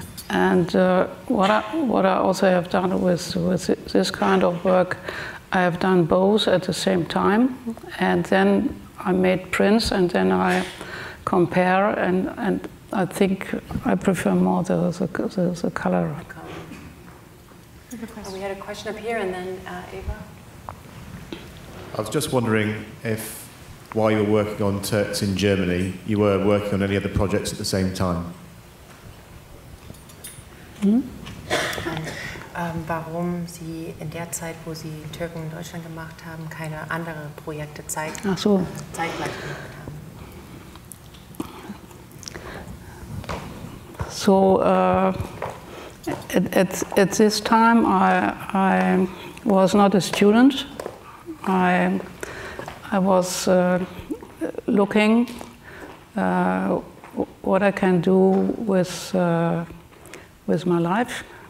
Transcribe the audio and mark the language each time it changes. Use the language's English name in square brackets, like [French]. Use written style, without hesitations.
[English] And what I also have done with this kind of work, I have done both at the same time, and then I made prints, and then I compare, and I think I prefer more the color. We had a question up here, and then Eva? I was just wondering if, while you were working on Turks in Germany, you were working on any other projects at the same time. [German] Warum Sie in der Zeit, wo Sie Türken in Deutschland gemacht haben, keine anderen Projekte zeitgleich gemacht haben? [English] So, at this time, I was not a student. I was looking what I can do with my life.